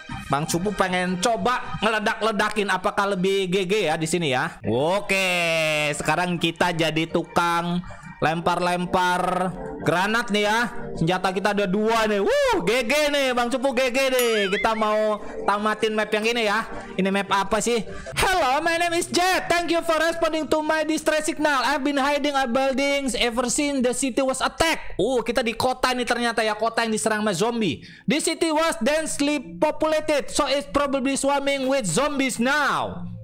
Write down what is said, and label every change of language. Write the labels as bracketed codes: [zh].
[id] Bang Cupu pengen coba ngeledak-ledakin apakah lebih GG ya di sini ya. Oke, sekarang kita jadi tukang lempar-lempar granat nih ya. Senjata kita ada dua nih. GG nih Bang Cupu, GG nih. Kita mau tamatin map yang ini ya. Ini map apa sih? [en] Hello, my name is Jet. Thank you for responding to my distress signal. I've been hiding at buildings ever since the city was attacked. [id] Kita di kota ini ternyata ya. Kota yang diserang sama zombie. [en] This city was densely populated, so it's probably swarming with zombies now.